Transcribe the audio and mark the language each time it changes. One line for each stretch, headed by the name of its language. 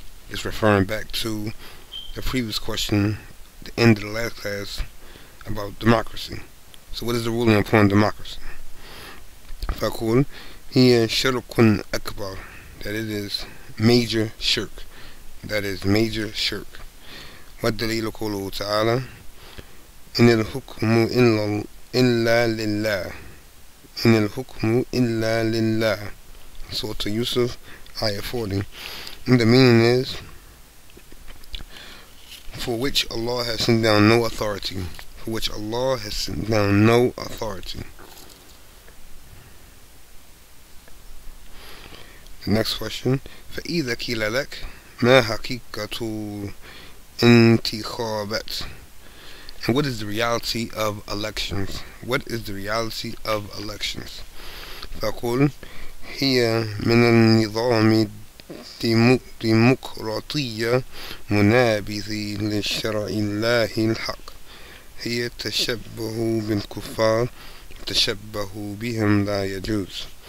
English: It's referring back to the previous question, the end of the last class, about democracy. So what is the ruling upon democracy?
Arabic: فأقول هي شرك أكبر,
English: that it is major shirk, that is major shirk.
Arabic: والدليل قوله تعالى إن الحكم إلا لله, إن الحكم إلا لله. سورة يوسف آية 40.
English: And the meaning is, for which Allah has sent down no authority, for which Allah has sent down no authority. Next question.
Arabic: فإذا قيل لك ما حقيقة انتخابات,
English: and what is the reality of elections, what is the reality of elections.
Arabic: فأقول هي من النظام الديمقراطية منابذ للشرع الله الحق, هي تشبه بالكفار, تشبه بهم لا يجوز.